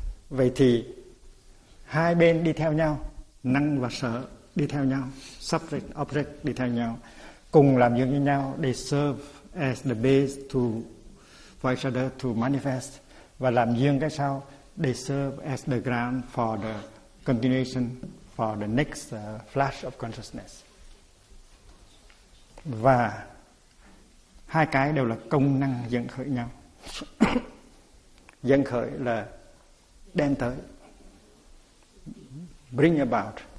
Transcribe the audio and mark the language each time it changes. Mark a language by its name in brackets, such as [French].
[Vietnamese] Vậy thì hai bên đi theo nhau, năng và sở đi theo nhau, subject object đi theo nhau, cùng làm việc với nhau, [English] they serve as the base to for each other to manifest. [Vietnamese] Và làm duyên cái sau, [English] they serve as the ground for the continuation, for the next flash of consciousness. [Vietnamese] Và hai cái đều là công năng dẫn khởi nhau. Dẫn khởi là đem tới, bring about.